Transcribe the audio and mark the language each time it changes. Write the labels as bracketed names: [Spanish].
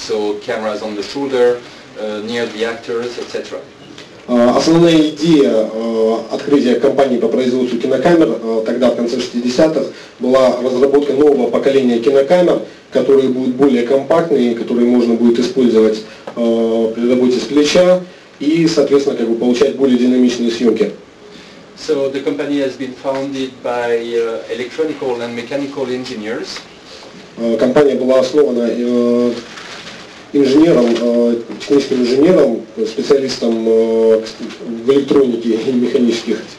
[English] So cameras on the shoulder, near the actors, etc. [Russian] Основная идея открытия компании по производству кинокамер тогда, в конце 60-х, была разработка нового поколения кинокамер, которые будут более компактные, которые можно будет использовать при работе с плеча и, соответственно, как бы получать более динамичные съемки. [English] So the company has been founded by electrical and mechanical engineers. [Russian] Компания была основана инженером, техническим инженером, специалистом в электронике и механических.